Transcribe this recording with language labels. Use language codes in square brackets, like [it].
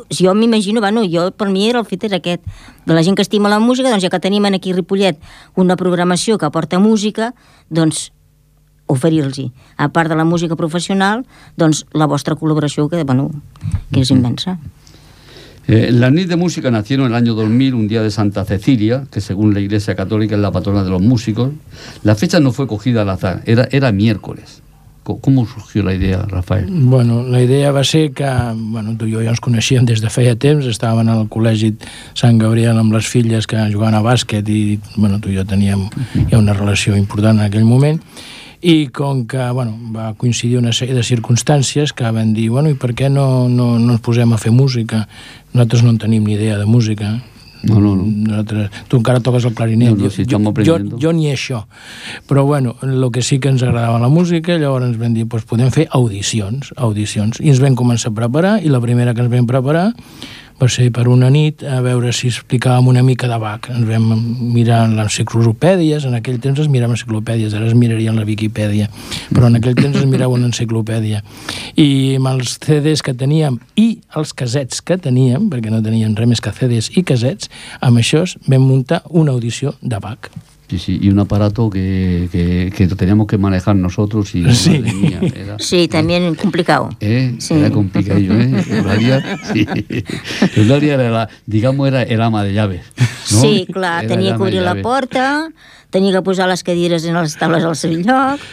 [ca] Jo m'imagino, bueno, jo per mi era el fet era aquest, de la gent que estima la música, doncs, ja que tenim aquí a Ripollet una programació que porta música, doncs, oferir-los, a part de la música professional, doncs, la vostra col·laboració, que, bueno, que és immensa. [es] La nit de música nació en el año 2000, un día de Santa Cecilia, que según la Iglesia Católica es la patrona de los músicos. La fecha no fue cogida al azar, era miércoles. ¿Cómo surgió la idea, Rafael? [ca] Bueno, la idea va ser que, bueno, tu i jo ja ens coneixíem des de feia temps, estàvem al col·legi Sant Gabriel amb les filles que jugaven a bàsquet i, bueno, tu i jo teníem ja una relació important en aquell moment. I com que, bueno, va coincidir una sèrie de circumstàncies que van dir, bueno, i per què no ens posem a fer música? Nosaltres no en tenim ni idea de música. No. Tu encara toques el clarinet. Jo ni això. Però, bueno, el que sí que ens agradava la música, llavors ens vam dir, doncs podem fer audicions. I ens vam començar a preparar, i la primera que ens vam preparar va ser per una nit, a veure si explicàvem una mica de Bach. Ens vam mirar en les enciclopèdies, en aquell temps es miraven enciclopèdies, ara es mirarien la Wikipedia, però en aquell temps es mirava una enciclopèdia. I amb els CDs que teníem i els casets que teníem, perquè no teníem res més que CDs i casets, amb això vam muntar una audició de Bach. [es] Sí, sí, y un aparato que teníamos que manejar nosotros y sí. Madre mía, era... Sí, también complicado. Sí. Era complicado, ¿eh? Eulalia, sí. Eulalia era, digamos, era el ama de llaves, ¿no? [ca] Sí, clar, tenia que obrir la porta, tenia que posar les cadires en les taules al seu lloc,